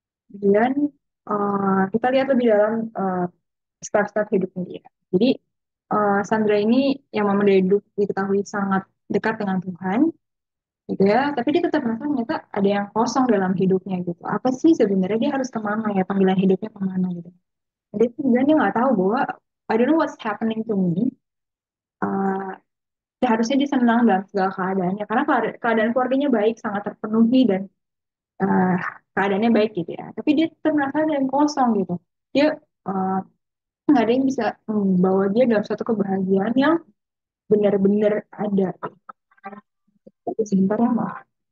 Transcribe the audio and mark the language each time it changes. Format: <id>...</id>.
<id>Kemudian kita lihat lebih dalam step-step hidupnya dia. Jadi Sandra ini yang memang dari hidup diketahui sangat dekat dengan Tuhan, gitu ya. Tapi dia tetap merasa ternyata ada yang kosong dalam hidupnya gitu. Apa sih sebenarnya dia harus kemana ya, panggilan hidupnya kemana gitu. Jadi sebenarnya dia nggak tahu bahwa,</id> <en>I don't know what's happening to me.</en> <id>Harusnya dia senang dalam segala keadaannya, karena keadaan keluarganya baik, sangat terpenuhi, dan keadaannya baik gitu ya. Tapi dia tetap merasa ada yang kosong gitu. Dia nggak ada yang bisa membawa dia dalam suatu kebahagiaan yang benar-benar ada. Sebentar ya, maaf.</id>